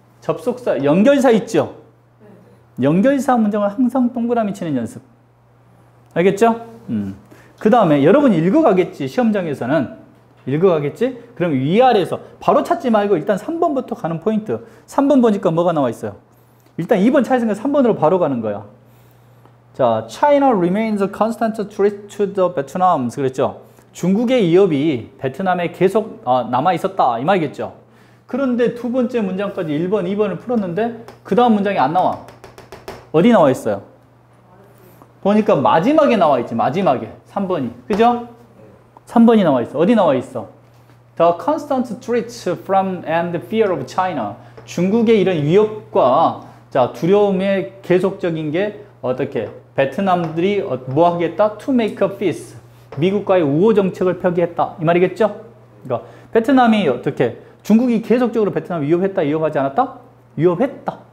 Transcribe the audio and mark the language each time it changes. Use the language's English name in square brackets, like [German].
[Korean] 접속사, 연결사 있죠? 연결사 문장을 항상 동그라미 치는 연습. 알겠죠? 그 다음에 여러분 읽어가겠지, 시험장에서는. 읽어가겠지? 그럼 위아래에서 바로 찾지 말고 일단 3번부터 가는 포인트. 3번 보니까 뭐가 나와 있어요? 일단 2번 찾으니까 3번으로 바로 가는 거야. [English] 자, China remains a constant threat to the Vietnam. [Korean] 그랬죠? 중국의 위협이 베트남에 계속 남아있었다. 이 말이겠죠? 그런데 두 번째 문장까지 1번, 2번을 풀었는데 그 다음 문장이 안 나와. 어디 나와 있어요? 보니까 마지막에 나와 있지. 마지막에. 3번이. 그죠? 3번이 나와 있어. 어디 나와 있어? [English] The constant threat from and fear of China. [Korean] 중국의 이런 위협과 자 두려움의 계속적인 게 어떻게? 베트남들이 뭐 하겠다? [English] To make a peace. [Korean] 미국과의 우호 정책을 표기했다. 이 말이겠죠? 그러니까 베트남이 어떻게? 중국이 계속적으로 베트남을 위협했다, 위협하지 않았다? 위협했다.